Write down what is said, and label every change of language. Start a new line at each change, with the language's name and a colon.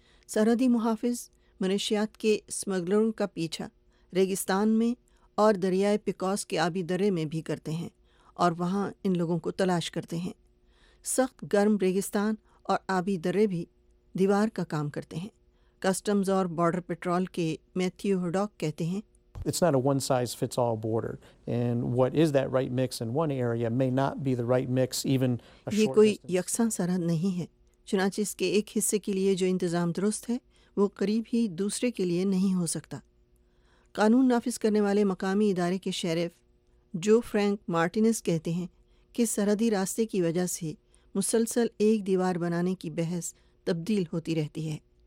Urdu: سرحدی محافظ منشیات کے سمگلروں کا پیچھا ریگستان میں اور دریائے پیکوس کے آبی درے میں بھی کرتے ہیں اور وہاں ان لوگوں کو تلاش کرتے ہیں. سخت گرم ریگستان اور آبی درے بھی دیوار کا کام کرتے ہیں. کسٹمز اور بارڈر پیٹرول کے میتھیو ہڈاک کہتے ہیں
English: It's not a one size fits all border and what is that right mix in one area may not be the right mix even a short distance.
Urdu: یہ کوئی یکساں سرحد نہیں ہے, چنانچہ اس کے ایک حصے کے لیے جو انتظام درست ہے وہ قریب ہی دوسرے کے لیے نہیں ہو سکتا. قانون نافذ کرنے والے مقامی ادارے کے شیرف جو فرینک مارٹینز کہتے ہیں کہ سرحدی راستے کی وجہ سے مسلسل ایک دیوار بنانے کی بحث تبدیل ہوتی رہتی ہے.